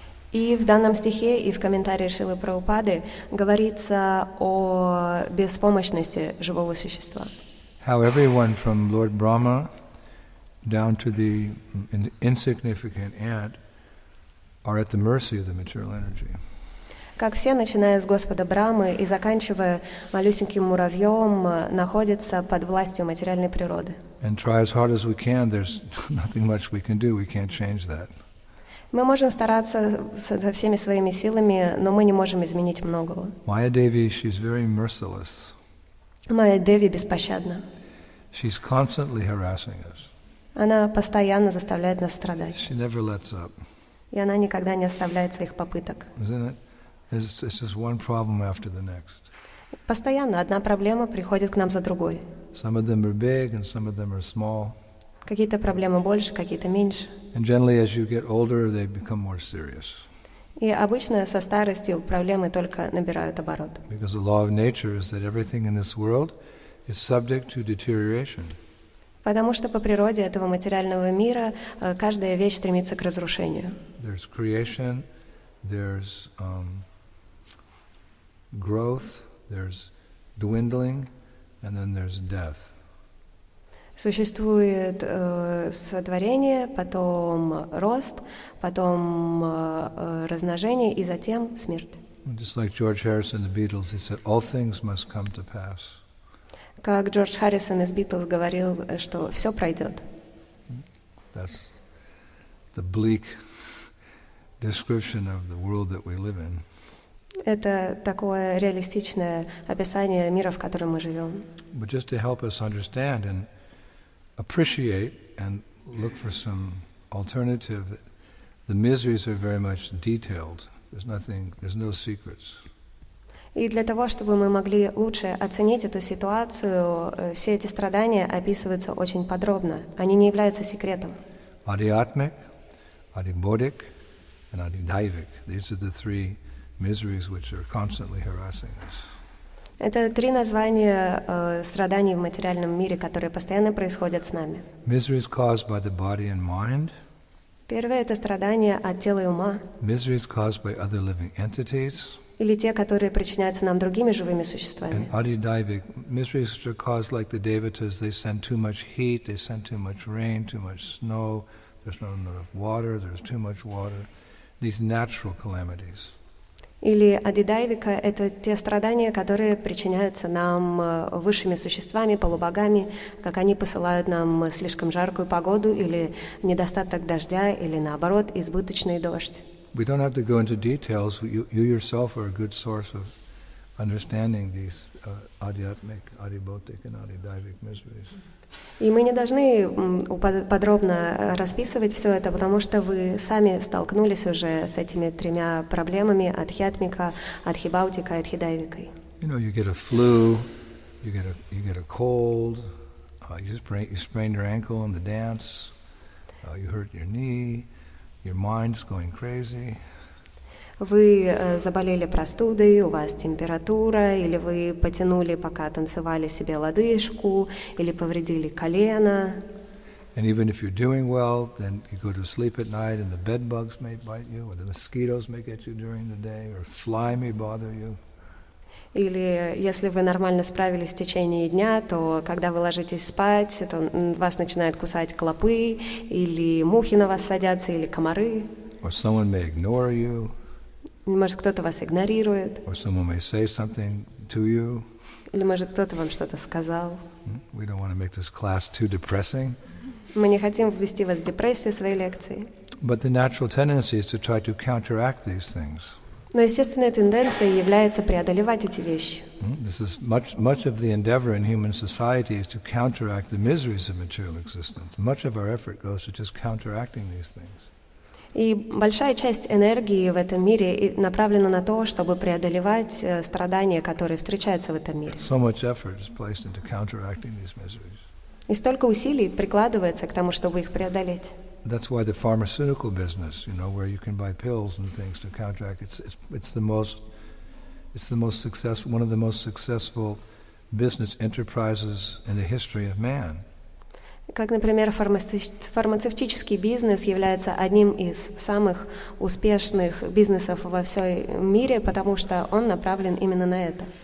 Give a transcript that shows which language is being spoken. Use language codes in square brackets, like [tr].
[ru] И в данном стихе, и в комментарии Шрилы Прабхупады говорится о беспомощности живого существа. [en] How everyone from Lord Brahma down to the insignificant ant are at the mercy of the material energy. [ru] Как все, начиная с Господа Брамы и заканчивая малюсеньким муравьем, находятся под властью материальной природы. [en] And try as hard as we can, there's nothing much we can do, we can't change that. [ru] Мы можем стараться со всеми своими силами, но мы не можем изменить многого. [en] Maya Devi, she's very merciless. [ru] Maya Devi беспощадна. [en] She's constantly harassing us. [ru] Она постоянно заставляет нас страдать. [en] She never lets up. [ru] И она никогда не оставляет своих попыток. [en] It's just one problem after the next. [ru] Постоянно одна проблема приходит к нам за другой. [en] Some of them are big and some of them are small. [ru] Какие-то проблемы больше, какие-то меньше. [en] And generally, as you get older, they become more serious. [ru] И обычно со старостью проблемы только набирают оборот. [en] Because the law of nature is that everything in this world is subject to deterioration. [ru] Потому что по природе этого материального мира каждая вещь стремится к разрушению. [en] There's creation, there's growth, there's dwindling, and then there's death. [ru] Существует сотворение, потом рост, потом размножение и затем смерть. [en] Just like George Harrison and the Beatles, he said, all things must come to pass. [ru] Как Джордж Харрисон из Beatles говорил, что все пройдет. [en] That's the bleak description of the world that we live in. [ru] Это такое реалистичное описание мира, в котором мы живем. [en] But just to help us understand and appreciate and look for some alternative, the miseries are very much detailed. There's no secrets. [ru] И для того, чтобы мы могли лучше оценить эту ситуацию, все эти страдания описываются очень подробно. Они не являются секретом. [en] adhyatmik, adhibodhik, and adhidaivik. These are the three miseries which are constantly harassing us. [ru] Это три названия страданий в материальном мире, которые постоянно происходят с нами. [en] Miseries caused by the body and mind. [ru] Первое — это страдания от тела и ума. [en] Miseries caused by other living entities. [ru] Или те, которые причиняются нам другими живыми существами. [en] And adhidaivik, miseries which are caused like the devatas, they send too much heat, they send too much rain, too much snow, there's not enough water, there's too much water. These natural calamities. [ru] Или адидайвика — это те страдания, которые причиняются нам высшими существами, полубогами, как они посылают нам слишком жаркую погоду или недостаток дождя, или наоборот, избыточный дождь. [en] We don't have to go into details. You yourself are a good source of understanding these adhyatmik, adhibhautik, and adhidaivik miseries. [ru] И мы не должны подробно расписывать все это, потому что вы сами столкнулись уже с этими тремя проблемами адхиатмика, адхибаутика и адхидаивикой. [en] You know, you get a flu, you get a cold, you sprain your ankle in the dance, you hurt your knee, your mind's going crazy. [ru] Вы заболели простудой, у вас температура, или вы потянули, пока танцевали себе лодыжку, или повредили колено. [en] And even if you're doing well, then you go to sleep at night and the bed bugs may bite you, or the mosquitoes may get you during the day, or a fly may bother you. [ru] Или если вы нормально справились в течение дня, то когда вы ложитесь спать, это вас начинают кусать клопы, или мухи на вас садятся, или комары. [en] Or someone may ignore you. [ru] Может, кто-то вас игнорирует. [en] Or someone may say something to you. [ru] Или, может, кто-то вам что-то сказал. [en] We don't want to make this class too depressing. [ru] Мы не хотим ввести вас в депрессию в своей лекции. [en] But the natural tendency is to try to counteract these things. [ru] Но естественная тенденция является преодолевать эти вещи. [en] This is much of the endeavor in human society is to counteract the miseries of material existence. Much of our effort goes to just counteracting these things. [ru] И большая часть энергии в этом мире направлена на то, чтобы преодолевать страдания, которые встречаются в этом мире. [en] So much effort is placed into counteracting these miseries. [ru] И столько усилий прикладывается к тому, чтобы их преодолеть. [en] That's why the pharmaceutical business, you know, where you can buy pills and things to counteract, one of the most successful business enterprises in the history of man. [ru] Как, например, фармацевтический бизнес является одним из самых успешных бизнесов во всем мире, потому что он направлен именно на это.